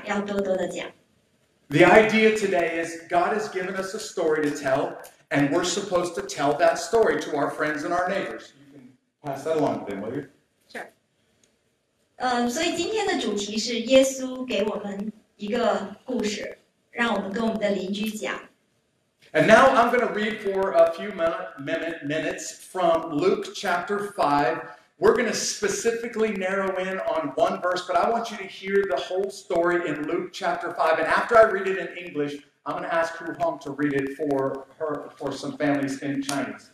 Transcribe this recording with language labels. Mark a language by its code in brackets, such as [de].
[en] The idea today is God has given us a story to tell, and we're supposed to tell that story to our friends and our neighbors. You can pass that along then, will you? Sure. [zh] 所以今天的主题是耶稣给我们一个故事，让我们跟我们的邻居讲。 [en] And now I'm going to read for a few minutes from Luke chapter 5. We're going to specifically narrow in on one verse, but I want you to hear the whole story in Luke chapter 5. And after I read it in English, I'm going to ask Hu Hong to read it for some families in Chinese.